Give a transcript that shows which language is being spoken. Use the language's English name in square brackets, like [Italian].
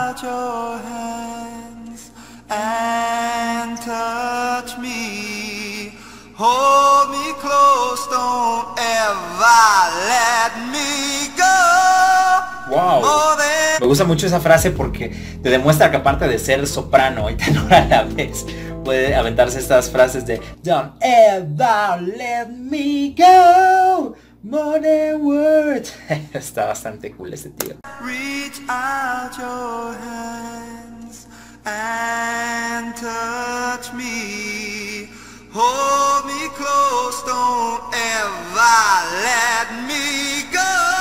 [English] Reach your hands and touch me. Hold me close, don't ever let me go. Wow. [Spanish] Me gusta mucho esa frase porque te demuestra que aparte de ser soprano y tenor a la vez, puede aventarse estas frases de [English] don't ever let me go. [Spanish] More than words. Está bastante cool ese tío. [English] Reach out your hands and touch me. Hold me close, don't ever let me go.